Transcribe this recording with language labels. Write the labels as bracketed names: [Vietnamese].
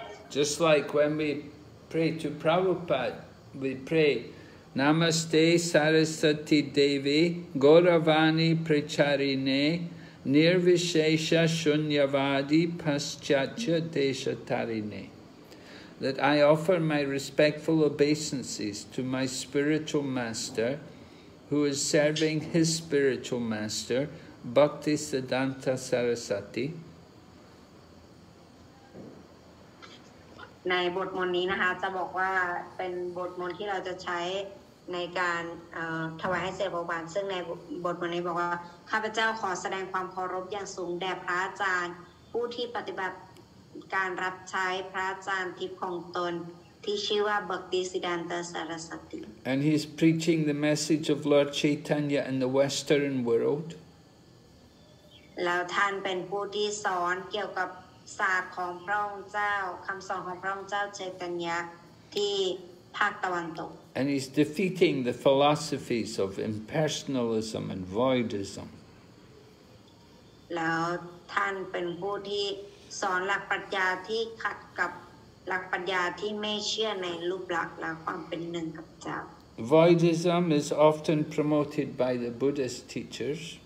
[English] Just like when we pray to Prabhupada, we pray, [Sanskrit] Namaste Sarasati Devi Gauravani Pracharine Nirvishesha Shunyavadi Paschacha Deshatarine [English] That I offer my respectful obeisances to my spiritual master who is serving his spiritual master Bhakti Siddhanta Sarasati [Thai] ในบทมนต์นี้ นะคะจะบอกว่าเป็นบทมนต์ที่เราจะใช้ในการถวายให้เสด็จพระบาทซึ่งในบทวันนี้บอกว่าข้าพเจ้าขอแสดงความเคารพอย่างสูงแด่พระอาจารย์ผู้ที่ปฏิบัติการรับใช้พระอาจารย์ทิพย์ของตนที่ชื่อว่าบักติสิดันตสารสติ [English] And he is preaching the message of Lord Chaitanya in the Western world [Thai] แล้ว ท่านเป็นผู้ที่สอนเกี่ยวกับศาสตร์ของพระองค์เจ้าคำสอนของพระองค์เจ้าเชตัญญะที่ภาคตะวันตก [English] And he's defeating the philosophies of impersonalism and voidism. [Thai] แล้วท่านเป็นผู้ที่สอนหลักปรัชญาที่ขัดกับหลักปรัชญาที่ไม่เชื่อในรูปลักษณ์และความเป็นหนึ่งกับเจ้า [English] Voidism is often promoted by the Buddhist teachers.